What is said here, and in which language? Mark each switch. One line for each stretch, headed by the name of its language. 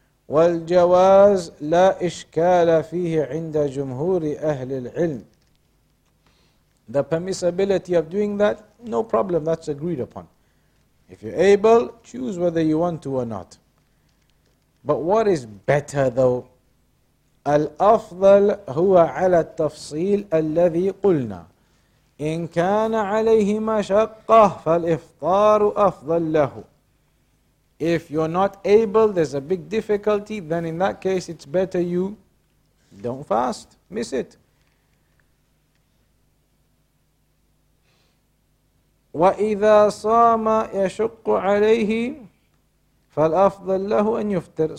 Arabic: وَالْجَوَازِ لَا إِشْكَالَ فِيهِ عِنْدَ جُمْهُورِ أَهْلِ الْعِلْمِ.
English: The permissibility of doing that, no problem, that's agreed upon. If you're able, choose whether you want to or not. But what is better though?
Arabic: الأفضل هو على التفصيل الذي قلنا. إن كان عليه مشقة فالإفطار أفضل له.
English: If you're not able, there's a big difficulty, then in that case it's better you don't fast, miss it.
Arabic: وَإِذَا صَامَ يَشُقُّ عَلَيْهِ فَالْأَفْضَلْ لَهُ أَنْ يُفْتِرْ.